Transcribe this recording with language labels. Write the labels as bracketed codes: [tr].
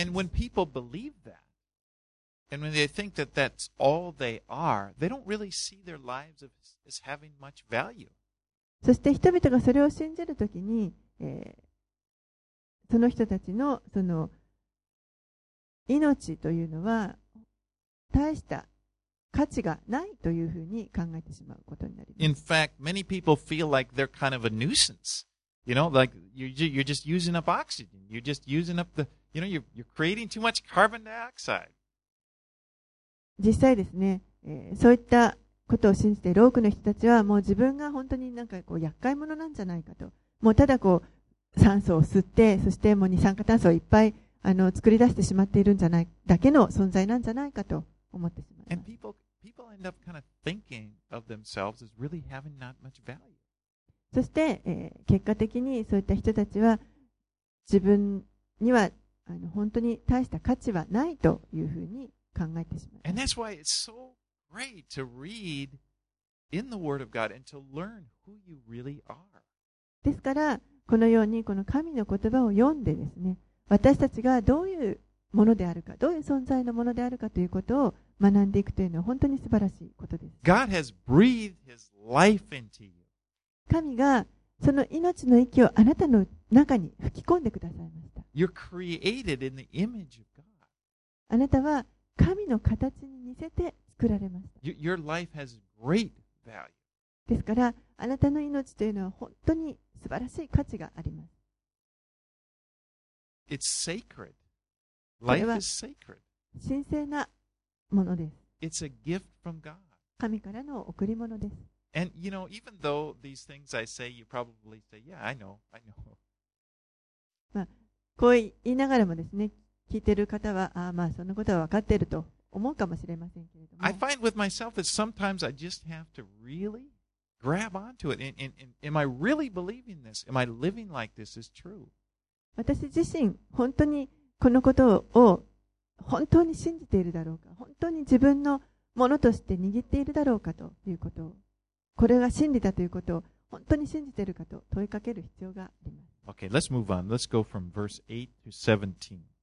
[en] And when people believe that, and when they think that that's all they are, they don't really see their lives as having much value. [ja] そして人々がそれを信じるときに、その人たちのその命というのは大した価値がないというふうに考えてしまうことになります。 [en] In fact, many people feel like they're kind of a nuisance. You know, like you're just using up oxygen. You're just using up the, you know, you're creating too much carbon dioxide. [ja] 実際ですね、そういったことを信じている多くの人たちはもう自分が本当になんかこう厄介者なんじゃないかと、もうただこう酸素を吸って、そしてもう二酸化炭素をいっぱい作り出してしまっているんじゃないだけの存在なんじゃないかと思ってしまいます。 [en] And people end up kind of thinking of themselves as really having not much value. [ja] そして、結果的にそういった人たちは自分には本当に大した価値はないというふうに考えてしまいます。 [en] And that's why it's so great to read in the Word of God and to learn who you really are. [ja] ですから。このようにこの神の言葉を読んでですね、私たちがどういうものであるか、どういう存在のものであるかということを学んでいくというのは本当に素晴らしいことです。 [en] God has breathed his life into you. [ja] 神がその命の息をあなたの中に吹き込んでくださいました。 [en] You're created in the image of God. [ja] あなたは神の形に似せて作られました。 [en] Your life has great value. [ja] ですから、あなたの命というのは本当に素晴らしい価値があります。 [en] It's sacred. Life is sacred. [ja] 神聖なものです。 [en] It's a gift from God. [ja] 神からの贈り物です。 [en] And you know, even though these things I say, you probably say, yeah, I know, I know. [ja] まあ、こう言いながらもですね、聞いてる方は、ああ、まあそんなことは分かっていると思うかもしれませんけれども。 [en] I find with myself that sometimes I just have to really. Grab onto it. And am I really believing this? Am I living like this is true? [ja] 私自身本当にこのことを本当に信じているだろうか、本当に自分のものとして握っているだろうかということを、これが真理だということを本当に信じているかと問いかける必要があります。 [en] Okay, let's move on. Let's go from verse 8 to 17.